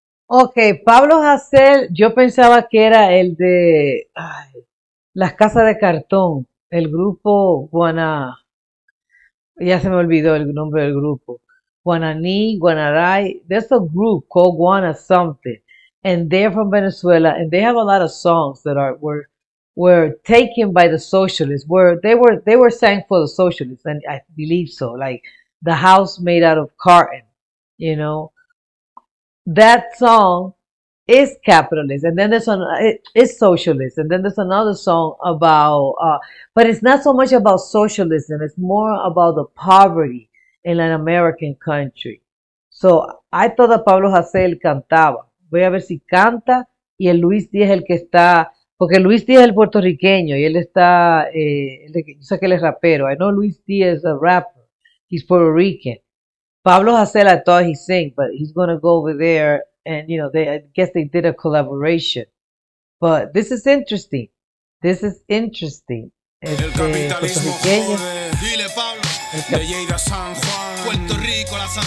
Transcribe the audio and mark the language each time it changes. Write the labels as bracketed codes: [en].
[es] Ok, Pablo Hasél, yo pensaba que era el de, ay, Las Casas de Cartón. El grupo Guana, ya se me olvidó el nombre del grupo, [en] Guananí, Guanaray, there's a group called Guana something, and they're from Venezuela, and they have a lot of songs that are were taken by the socialists, where they were sang for the socialists, and I believe so, like the house made out of carton, you know, that song is capitalist, and then there's an it's socialist, and then there's another song about, but it's not so much about socialism, it's more about the poverty in an American country. So I thought that Pablo Hasél [es] cantaba. Voy a ver si canta, y el Luis Díaz, el que está, porque Luis Díaz es el puertorriqueño y él está, yo sé que él es rapero. [en] I know Luis Díaz is a rapper, he's Puerto Rican. Pablo Hasél, I thought he sing, but he's gonna go over there. And you know, I guess they did a collaboration. But this is interesting. This is interesting. [es] El Este capitalismo puertorriqueño. jode. Dile, Pablo. De Lleida a San Juan. Puerto Rico, las